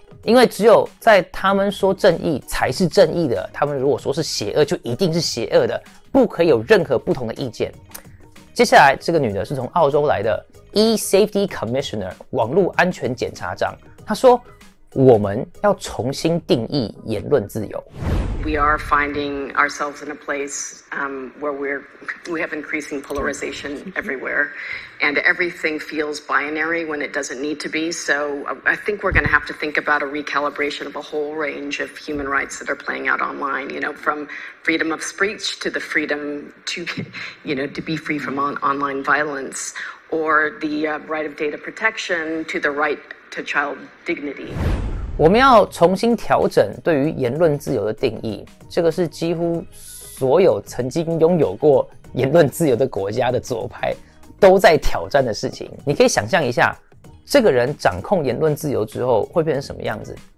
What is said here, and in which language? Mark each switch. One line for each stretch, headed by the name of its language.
Chinese: 因为只有在他们说正义才是正义的，他们如果说是邪恶，就一定是邪恶的，不可以有任何不同的意见。接下来，这个女的是从澳洲来的 E-Safety Commissioner 网络安全检查长，她说：“我们要重新定义言论自由。”
English: We are finding ourselves in a place where we have increasing polarization everywhere, and everything feels binary when it doesn't need to be. So I think we're going to have to think about a recalibration of a whole range of human rights that are playing out online. You know, from freedom of speech to the freedom to, you know, to be free from online violence, or the right of data protection to the right to child dignity.
Chinese: 我们要重新调整对于言论自由的定义，这个是几乎所有曾经拥有过言论自由的国家的左派都在挑战的事情。你可以想象一下，这个人掌控言论自由之后会变成什么样子？